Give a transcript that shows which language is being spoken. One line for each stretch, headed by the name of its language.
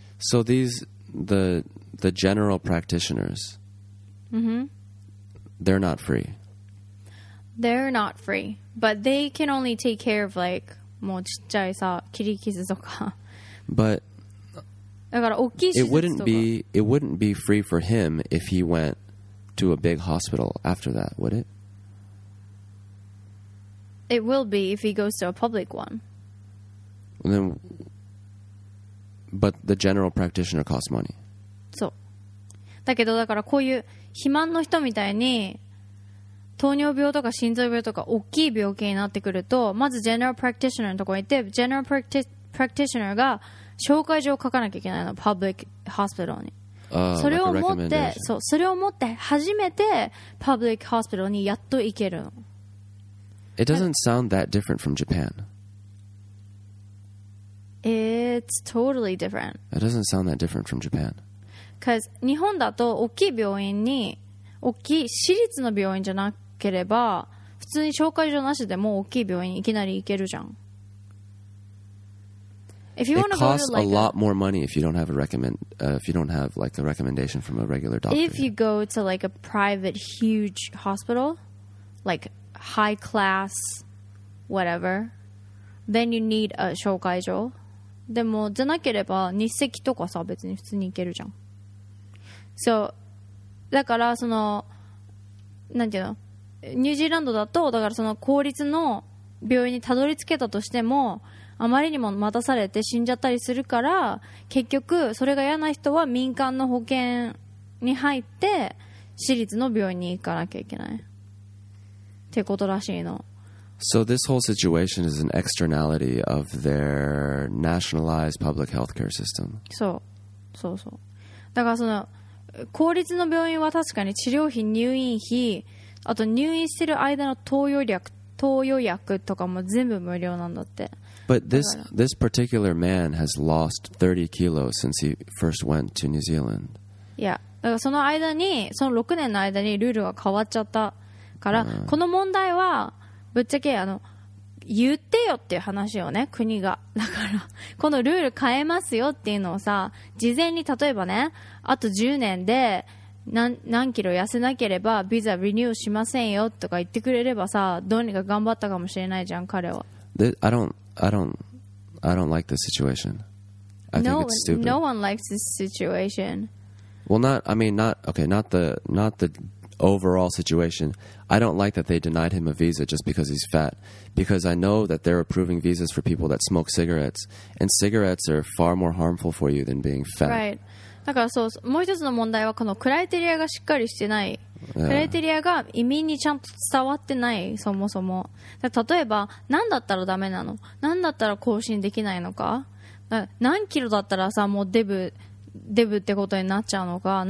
English: So these the general practitioners、 mm-hmm. they're not free. They're not free, but they can only take care of like
Japanese: もうちっちゃいさ切り傷とか。
English: But
Japanese: だから大きい手術とか。
English: It wouldn't be free for him if he went to a big hospital after that, would it? It will be if he goes to a public one. Then, but the general practitioner costs money.
Japanese: そう。だけどだからこういう肥満の人みたいに糖尿病とか心臓病とか大きい病気になってくると、まず general practitioner のところに行って、 general practitioner が紹介状を書かなきゃいけないの、パブリックホスピタルに。それを持って、そう、それを持って初めてパブリックホスピタルにやっと行けるの。
English: It doesn't sound that different from Japan. It's totally different. It doesn't sound that different from Japan. Because
Japanese: 日本だと大きい病院に、大きい私立の病院じゃなければ、普通に紹介状なしでも大きい病院にいきなり行けるじゃん。
English: If you want to go to like, it costs a lot more money if you don't have a recommendation from a regular doctor. If you go to like a private huge hospital, like high class, whatever, then you need a 紹介状.
Japanese: でもじゃなければ日赤とかさ別に普通に行けるじゃん.
English: So,
Japanese: だからそのなんていうの、ニュージーランドだとだからその公立の病院にたどり着けたとしても、あまりにも待たされて死んじゃったりするから、結局それが嫌な人は民間の保険に入って私立の病院に行かなきゃいけないってことらしいの。
English: So this whole situation is an externality of their nationalized public healthcare system.
Japanese: そう、そうそう。だからその公立の病院は確かに治療費、入院費、あと入院してる間の投与薬とかも全部無料なんだって。
English: But this particular man has lost 30 kilos since he first went to New Zealand. Yeah.
Japanese: だからその間に、その6年の間にルールが変わっちゃったから、この問題はぶっちゃけ言ってよっていう話をね、国が。だからこのルール変えますよっていうのをさ、事前に例えばね、あと10年で何キロ痩せなければビザリニューしませんよとか言ってくれればさ、どうにか頑張ったかもしれないじゃん彼は。
English: I don't like the situation. I think it's stupid. No one likes this situation. Well, not the overall situation. I don't like that they denied him a visa just because he's fat. Because I know that they're approving visas for people that smoke cigarettes, and cigarettes are far more harmful for you than being fat. Right.
Japanese: だからそう、もう一つの問題はこのクライテリアがしっかりしてない。クライテリアが移民にちゃんと伝わってない、そもそも。例えば、何だったらダメなの？何だったら更新できないのか？何キロだったらさ、もうデブってことになっちゃうのか？